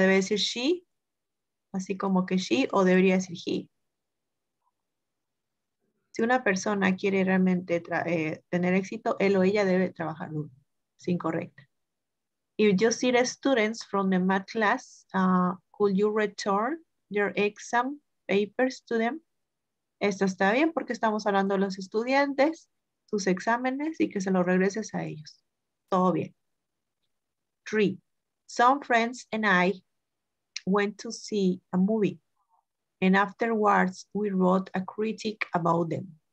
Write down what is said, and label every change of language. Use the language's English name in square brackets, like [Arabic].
[Spanish] Debe decir she, así como que she, o debería decir he. Si una persona quiere realmente tener éxito, él o ella debe trabajar duro. Es incorrecta. [English] If you see the students from the math class, could you return your exam papers to them? [Spanish] Esto está bien porque estamos hablando de los estudiantes, sus exámenes y que se los regreses a ellos. Todo bien. 3. [English] Some friends and I went to see a movie. And afterwards, we wrote a critic about them.